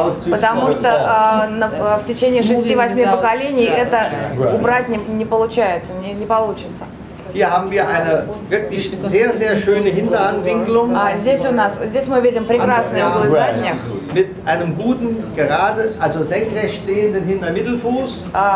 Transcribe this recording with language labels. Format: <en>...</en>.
<ru>Потому что в течение 6-8 поколений это убрать не получается, не получится.</ru> <de>Hier haben wir eine wirklich sehr, sehr schöne Hinterhandwinkelung.</de> <ru>Здесь мы видим прекрасные углы задних.</ru> <de>Mit einem guten, gerade, also senkrecht stehenden Hintermittelfuß.</de>